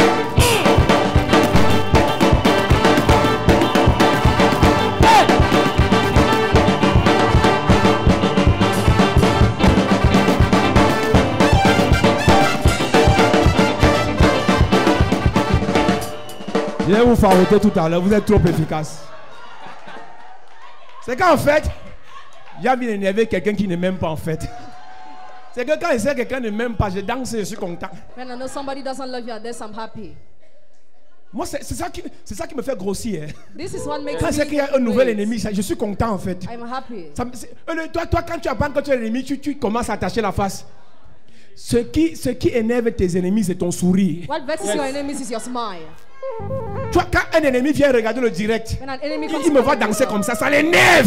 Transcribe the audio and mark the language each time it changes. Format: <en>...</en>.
<fr>Hey! Je vais vous faroter tout à l'heure, vous êtes trop efficace. C'est qu'en fait, j'ai envie d'énerver quelqu'un qui ne m'aime pas en fait. C'est que quand je sais que quelqu'un ne m'aime pas, je danse et je suis content.</fr> <en>When I know somebody doesn't love you, I dance, I'm happy.</en> <fr>Moi, c'est ça qui me fait grossir. Hein.</fr> <en>This is what makes</en> <fr>quand</fr> <en>me</en> <fr>c'est qu'il y a un nouvel ennemi, je suis content en fait.</fr> <en>I'm happy.</en> <fr>Toi, quand tu apprends que tu es un ennemi, tu commences à attacher la face. Ce qui énerve tes ennemis, c'est ton sourire.</fr> <en>What vexes your enemies is your smile.</en> <fr>Toi, quand un ennemi vient regarder le direct, il me voit danser comme ça l'énerve.</fr>